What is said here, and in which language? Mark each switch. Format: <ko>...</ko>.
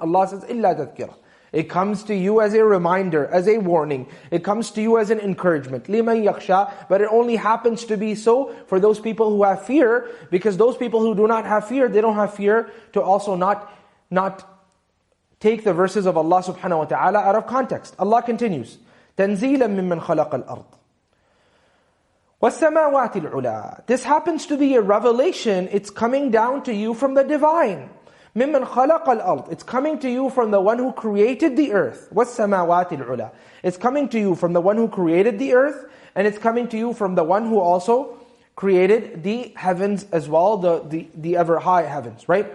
<en>Allah says,</en> <ar>إِلَّا تَذْكِرَ.</ar> <en>It comes to you as a reminder, as a warning. It comes to you as an encouragement.</en> <ar>لِمَنْ يَخْشَى.</ar> <en>But it only happens to be so for those people who have fear, because those people who do not have fear, they don't have fear to also not take the verses of Allah subhanahu wa ta'ala out of context. Allah continues,</en> <ar>تَنْزِيلًا مِّمَّنْ خَلَقَ الْأَرْضِ وَالسَّمَاوَاتِ الْعُلَىٰ.</ar> <en>This happens to be a revelation. It's coming down to you from the divine.</en> <ar>مِمَّنْ خَلَقَ الْأَرْضِ.</ar> <en>It's coming to you from the one who created the earth.</en> <ar>وَالسَّمَاوَاتِ الْعُلَىٰ.</ar> <en>It's coming to you from the one who created the earth, and it's coming to you from the one who also created the heavens as well, the ever high heavens, right?</en>